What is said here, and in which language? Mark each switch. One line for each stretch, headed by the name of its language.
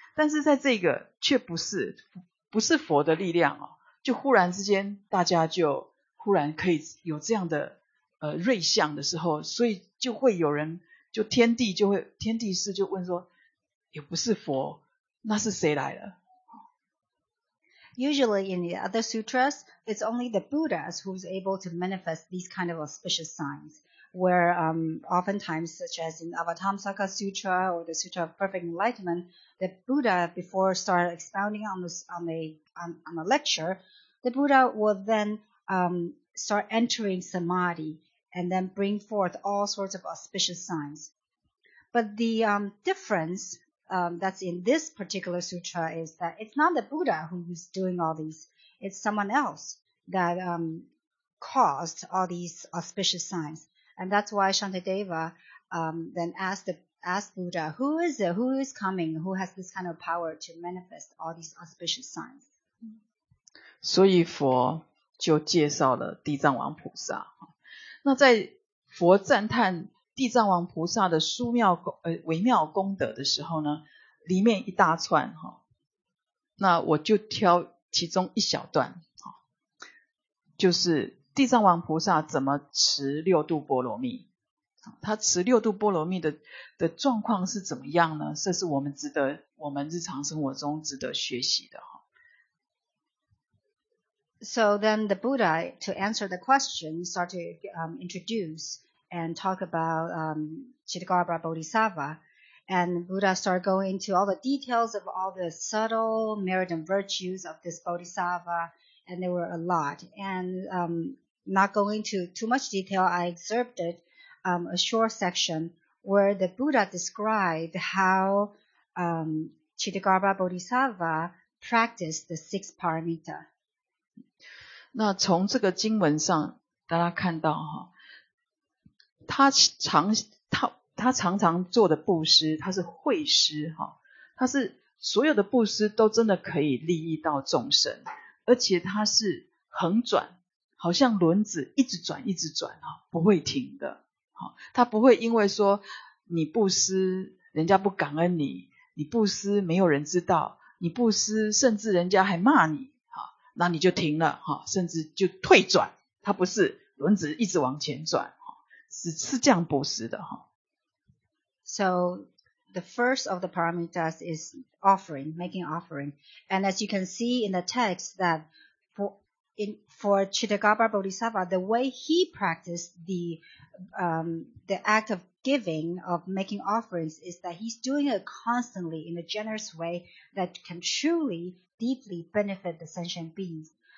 Chinese: 但是在这个却不是佛的力量，就忽然之间大家就忽然可以有这样的瑞相的时候，所以就会有人就天地士就问说，也不是佛，那是谁来了？
English: Usually in the other sutras, it's only the Buddhas who's able to manifest these kind of auspicious signs. Where oftentimes, such as in Avatamsaka Sutra or the Sutra of Perfect Enlightenment, the Buddha, before started expounding on a lecture, the Buddha will then start entering samadhi and then bring forth all sorts of auspicious signs. But the difference that's in this particular sutra is that it's not the Buddha who's doing all these, it's someone else that caused all these auspicious signs. And that's why Shantideva then asked Buddha, who is it? Who is coming? Who has this kind of power to manifest all these auspicious signs?
Chinese: 所以佛就介绍了地藏王菩萨。那在佛赞叹地藏王菩萨的微妙功德的时候呢，里面一大串，那我就挑其中一小段，就是地藏王菩萨怎么持六度波罗蜜，他持六度波罗蜜 的状况是怎么样呢？这是我们值得，我们日常生活中值得学习的。
English: So then the Buddha, to answer the question, started to introduce and talk about Chittagarbha Bodhisattva. And Buddha started going into all the details of all the subtle merit and virtues of this Bodhisattva, and there were a lot. And not going into too much detail, I excerpted a short section where the Buddha described how Chittagarbha Bodhisattva practiced the six paramita.
Chinese: 那从这个经文上大家看到，他常常做的布施，他是慧施，他是所有的布施都真的可以利益到众生，而且他是横转，好像轮子一直转一直转不会停的。他不会因为说你布施人家不感恩你，你布施没有人知道，你布施甚至人家还骂你，那你就停了，甚至就退转，它不是轮子一直往前转，是这样布施的。
English: So the first of the paramitas is offering, making offering. And as you can see in the text that for Chittagarbha Bodhisattva, the way he practiced the act of giving, of making offerings, is that he's doing it constantly in a generous way that can truly deeply benefit the sentient beings.